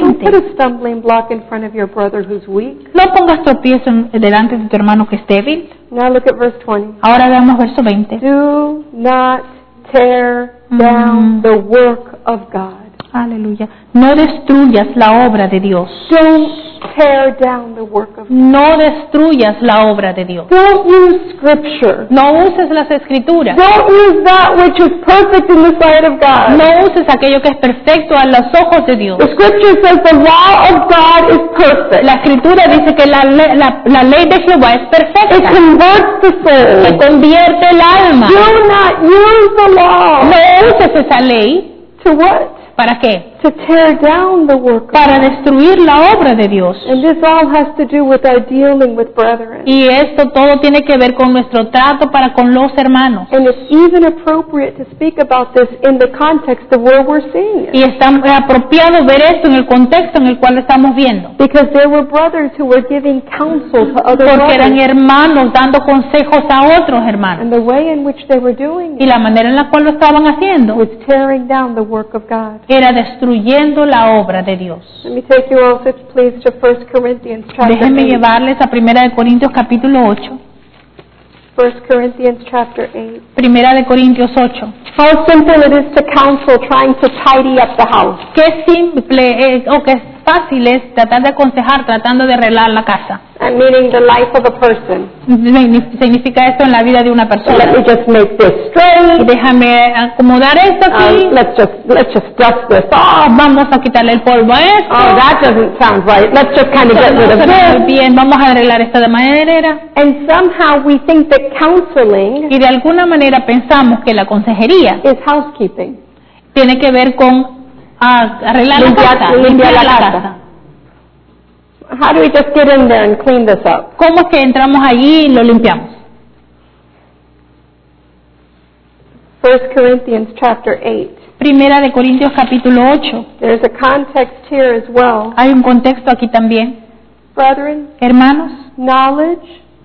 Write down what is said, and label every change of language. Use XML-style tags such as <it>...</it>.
<en>Don't put a stumbling block in front of your brother who's weak.</en> <es>No pongas tropiezo delante de tu hermano que es débil.</es> <en>Now look at verse 20.</en> <es>Ahora veamos verso 20.</es> <en>Do not tear down the work of God.</en> <es>Aleluya. No destruyas la obra de Dios.</es> <en>Don't tear down the work of God.</en> <es>No destruyas la obra de Dios.</es> <en>Don't use scripture.</en> <es>No uses las escrituras.</es> <en>Don't use that which is perfect in the sight of God.</en> <es>No uses aquello que es perfecto a los ojos de Dios.</es> <en>The scripture says the law of God is perfect.</en> <es>La escritura dice que la ley de Jehová es perfecta.</es> <en>It converts the soul.</en> <es>Que convierte el alma.</es> <en>Do not use the law.</en> <es>No uses esa ley.</es> <en>To what?</en> <es>¿Para qué?</es> <en>to tear down the work of</en> <es>para destruir la obra de Dios.</es> <en>And this all has to do with our dealing with brethren.</en> <es>Y esto todo tiene que ver con nuestro trato para con los hermanos.</es> <en>And it's even appropriate to speak about this in the context of where we're seeing it.</en> <es>Y está apropiado ver esto en el contexto en el cual estamos viendo.</es> <en>Because there were brothers who were giving counsel to other brothers.</en> <es>Porque eran hermanos dando consejos a otros hermanos.</es> <en>And the way in which they were doing it.</en> <es>Y la manera en la cual lo estaban haciendo.</es> <en>Was tearing down the work of God.</en> <es>Era destruyendo la obra de Dios.</es> <en>Let me take you also, please, to 1 Corinthians chapter 8.</en> <es>Déjenme llevarles a 1 Corintios capítulo 8.</es> <en>1 Corinthians chapter 8.</en> <es>1 de Corintios 8.</es> <en>How simple it is to counsel trying to tidy up the house.</en> <es>Qué simple es, o qué fácil es tratar de aconsejar tratando de arreglar la casa.</es> <en>And meaning the life of a person.</en> <es>Significa esto en la vida de una persona.</es> <en>So let me just make this straight.</en> <es>Déjame acomodar esto aquí.</es> <en>Let's just dust this off.</en> <es>Vamos a quitarle el polvo a esto.</es> <en>Oh, that doesn't sound right. Let's just kind of get rid of this.</en> <es>Bien, vamos a arreglar esto de manera.</es> <en>And somehow we think that counseling.</en> <es>Y de alguna manera pensamos que la consejería</es> <en>is housekeeping.</en> <es>Tiene que ver con arreglar limpiar la casa.</es> <en>How do we just get in there and clean this up?</en> <es>¿Cómo es que entramos allí y lo limpiamos?</es> <en>1 Corinthians chapter 8.</en> <es>Primera de Corintios capítulo 8.</es> <en>There's a context here as well.</en> <es>Hay un contexto aquí también.</es> <en>Brethren,</en> <es>hermanos,</es> <en>knowledge,</en>